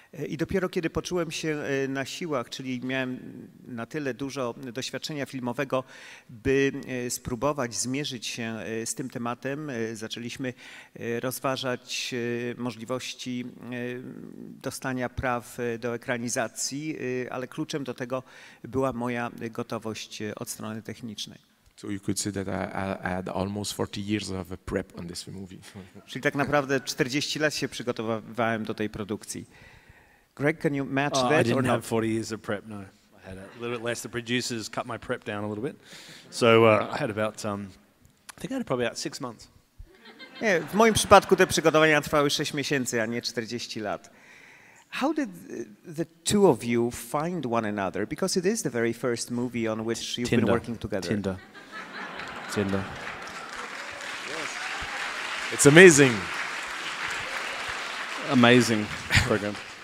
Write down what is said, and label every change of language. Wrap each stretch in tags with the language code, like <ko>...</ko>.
<pl>I dopiero kiedy poczułem się na siłach, czyli miałem na tyle dużo doświadczenia filmowego, by spróbować zmierzyć się z tym tematem, zaczęliśmy rozważać możliwości dostania praw do ekranizacji, ale kluczem do tego była moja gotowość od strony technicznej.</pl> <en>So you could say that I had almost 40 years of a prep on this movie.</en> <pl>Czyli tak naprawdę 40 lat się przygotowywałem do tej produkcji.</pl> <en>Greig, can you match that? I didn't have 40 years of prep, no. I had a little bit less. The producers cut my prep down a little bit. So I had about, I think I had probably about 6 months.</en> <pl>Nie, w moim przypadku te przygotowania trwały 6 miesięcy, a nie 40 lat.</pl> <en>How did the two of you find one another? Because it is the very first movie on which you've Tinder. Been working together. Tinder. Tinder. Yes. It's amazing. Amazing program.</en>